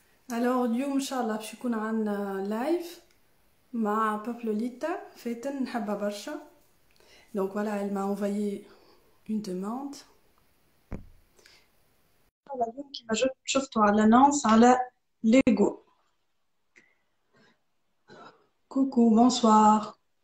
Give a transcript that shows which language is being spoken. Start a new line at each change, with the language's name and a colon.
Arabic: Alors, اليوم ان شاء الله باش يكون عندنا لايف مع بابلو ليتا فيتن نحبها برشا.
French: Donc voilà, elle m'a envoyé une demande.
Arabic: اليوم كيما شفتوا على الانونس على ليغو.
French: Coucou, bonsoir.